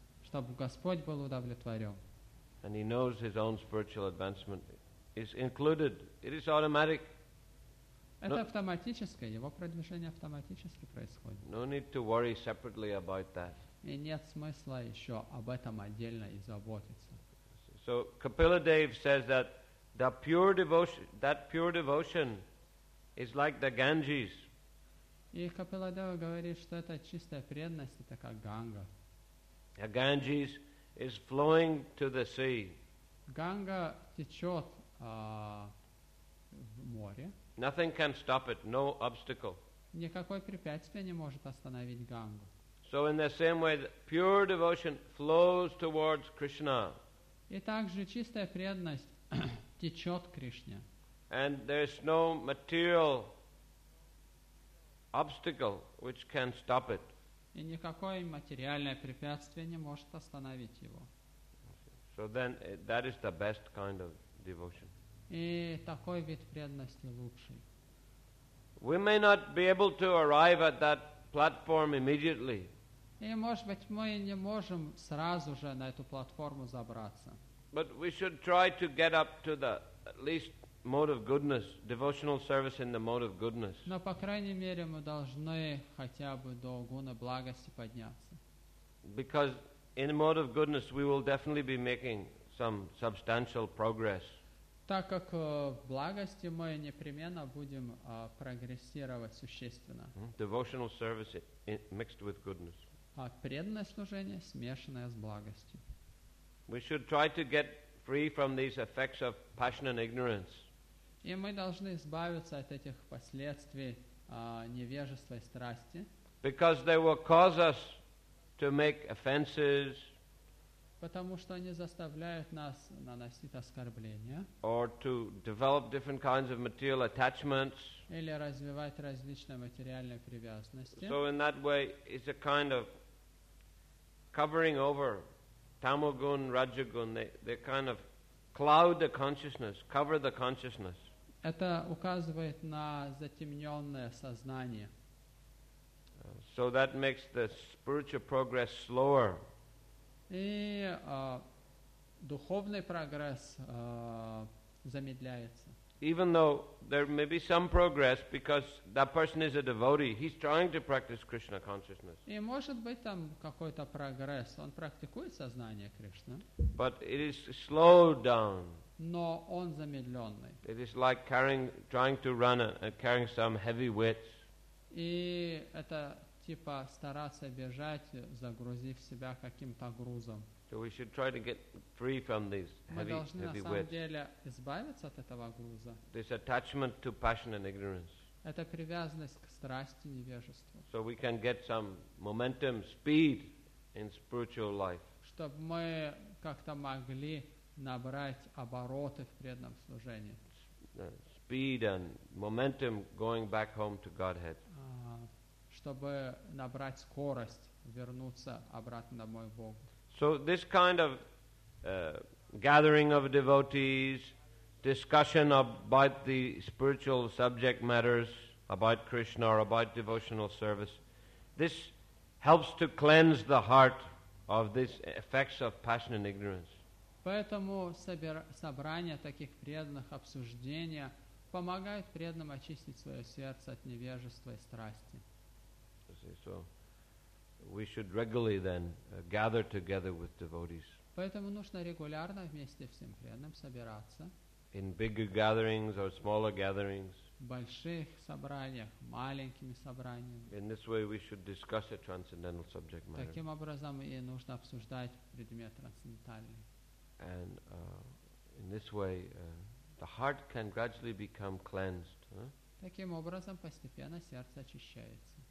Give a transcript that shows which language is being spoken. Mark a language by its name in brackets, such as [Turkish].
[Russian] Чтобы Господь был удовлетворен. [English] And he knows his own spiritual advancement is included. It is automatic. [Russian] Это автоматическое. Его продвижение автоматически происходит. [English] No need to worry separately about that. [Russian] И нет смысла еще об этом отдельно и заботиться. [English] So Kapiladev says that that pure devotion is like the Ganges. [Russian] И Капиладева говорит, что это чистая преданность, это как Ганга. [English] A Ganges is flowing to the sea. [Russian] Ганга течет в море. [English] Nothing can stop it, no obstacle. [Russian] Никакое препятствие не может остановить Гангу. [English] So in the same way, the pure devotion flows towards Krishna. [Russian] И также чистая преданность течет к Кришне. [English] And there is no material obstacle which can stop it. [Russian] И никакое материальное препятствие не может остановить его. [English] So then, that is the best kind of devotion. [Russian] И такой вид преданности лучший. [English] We may not be able to arrive at that platform immediately. [Russian] И может быть мы не можем сразу же на эту платформу забраться. [English] But we should try to get up to the at least mode of goodness, devotional service in the mode of goodness. [Russian] Но по крайней мере мы должны хотя бы до гуны благости подняться. [English] Because in the mode of goodness we will definitely be making some substantial progress. [Russian] Так как в благости мы непременно будем прогрессировать существенно. [English] Devotional service mixed with goodness. [Russian] А преданное служение смешанное с благостью. [English] We should try to get free from these effects of passion and ignorance. [Russian] И мы должны избавиться от этих последствий невежества и страсти. [English] Because they will cause us to make offenses, [Russian] потому что они заставляют нас наносить оскорбления, [English] or to develop different kinds of material attachments, [Russian] или развивать различные материальные привязанности. [English] So in that way, it's a kind of covering over tamogun, rajogun. They kind of cloud the consciousness, cover the consciousness. [Russian] Это указывает на затемненное сознание. [English] So that makes the spiritual progress slower. [Russian] И духовный прогресс замедляется. [English] Even though there may be some progress because that person is a devotee, he's trying to practice Krishna consciousness. [Russian] И может быть там какой-то прогресс, он практикует сознание Кришны. [English] But it is slowed down. [Russian] Но он замедленный. [English] It is like trying to run and carrying some heavy weights. [Russian] И это типа стараться бежать, загрузив себя каким-то грузом. [English] So we should try to get free from these heavy weights. [Russian] Мы должны на самом деле избавиться от этого груза. [English] This attachment to passion and ignorance. [Russian] Это привязанность к страсти и невежеству. [English] So we can get some momentum, speed in spiritual life. [Russian] Чтобы мы как-то могли набрать обороты в преданном служении. [English] Speed and momentum going back home to Godhead. [Russian] Чтобы набрать скорость, вернуться обратно домой к Богу. [English] So this kind of gathering of devotees, discussion about the spiritual subject matters, about Krishna or about devotional service, this helps to cleanse the heart of these effects of passion and ignorance. [Russian] Поэтому собрание таких преданных, обсуждения помогают преданным очистить свое сердце от невежества и страсти. [English] So we should regularly then gather together with devotees. [Russian] Поэтому нужно регулярно вместе всем преданным собираться. [English] In bigger gatherings or smaller gatherings. [Russian] В больших собраниях, маленькими собраниями. [English] In this way we should discuss a transcendental subject matter. [Russian] Таким образом и нужно обсуждать предмет трансцендентальный. [English] And in this way the heart can gradually become cleansed. [Russian] Таким образом постепенно сердце очищается.